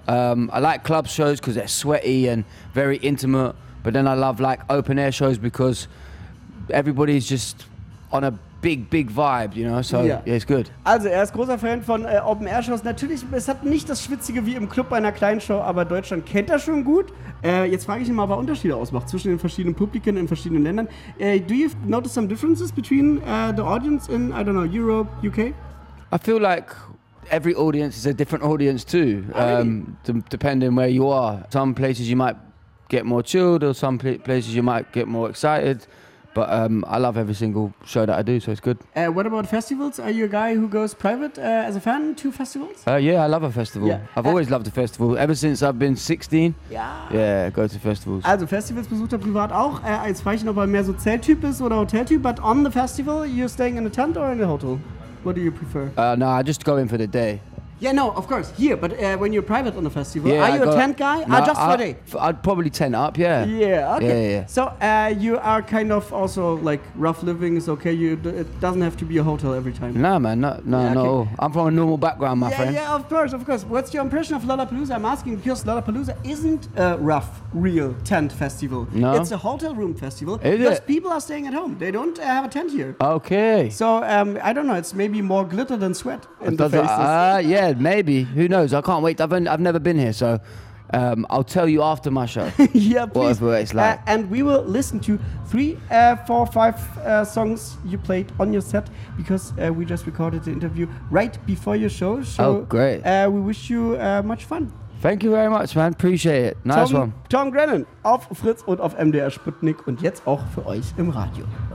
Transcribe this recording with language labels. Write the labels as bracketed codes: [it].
[en] I like club shows because they're sweaty and very intimate. But then I love like open air shows because everybody's just on a big vibe, you know, so yeah, it's good. [de] Also er ist großer Fan von Open Air Shows. Natürlich, es hat nicht das Schwitzige wie im Club bei einer kleinen Show, aber Deutschland kennt er schon gut. Jetzt frage ich ihn mal, was Unterschiede ausmacht zwischen den verschiedenen Publiken in verschiedenen Ländern. [en] Do you notice some differences between the audience in, I don't know, Europe, UK? I feel like every audience is a different audience too, depending where you are. Some places you might get more chilled or some places you might get more excited. But I love every single show that I do, so it's good. What about festivals? Are you a guy who goes private as a fan to festivals? Yeah, I love a festival. Yeah. I've always loved a festival, ever since I've been 16. Yeah. Yeah, I go to festivals. [de] Also festivals besucht er privat auch. Jetzt frage ich noch, ob er mehr so Zelttyp ist oder Hoteltyp. [en] But on the festival, you're staying in a tent or in a hotel? What do you prefer? No, I just go in for the day. Yeah, no, of course, here, but when you're private on the festival, yeah, are you a tent guy? No, just for a day? I'd probably tent up, yeah. Yeah, okay. So you are kind of also like rough living is okay, it doesn't have to be a hotel every time. Nah, man, no. I'm from a normal background, my friend. Yeah, of course. What's your impression of Lollapalooza? I'm asking because Lollapalooza isn't a rough, real tent festival. No. It's a hotel room festival. Is because it? People are staying at home. They don't have a tent here. Okay. So I don't know, it's maybe more glitter than sweat in the faces. Yeah, maybe. Who knows? I can't wait. I've never been here, so I'll tell you after my show. Yeah, please. What it's like. And we will listen to 3, 4, 5 songs you played on your set because we just recorded the interview right before your show. So, oh, great. We wish you much fun. Thank you very much, man. Appreciate it. Nice Tom, one. [de] Tom Grennan auf Fritz und auf MDR Sputnik und jetzt auch für euch im Radio.